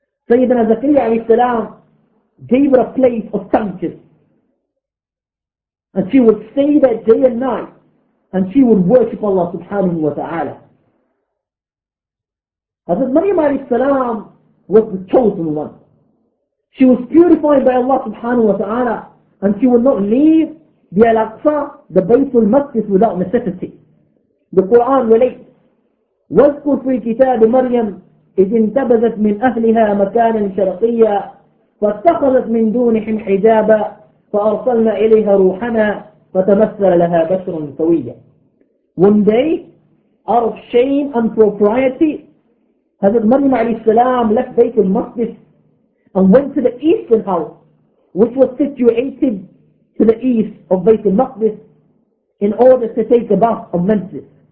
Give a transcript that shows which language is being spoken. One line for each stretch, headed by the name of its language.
English: Sayyidina Zakariya alayhi salam gave her a place of sanctuary, and she would stay there day and night, and she would worship Allah subhanahu wa ta'ala. Hazrat Maryam alayhi salam was the chosen one. She was purified by Allah subhanahu wa ta'ala, and she would not leave the Al-Aqsa, the Baytul Maqdis, without necessity. The Quran relates,
Arabic: وَذْكُرْ فِي كِتَابِ مَرْيَمْ إِذْ انْتَبَذَتْ مِنْ أَهْلِهَا مَكَانًا شَرَقِيًّا فَاتَّخَذَتْ مِنْ دُونِهِمْ حِجَابًا فَأَرْسَلْنَا إِلَيْهَا رُوحَنَا فتمثل لها بشرا سويا.
English: One day, out of shame and propriety, Hazrat Maryam alayhi salam left Baytul Maqdis and went to the eastern house, which was situated to the east of Baytul Maqdis, in order to take a bath of menses.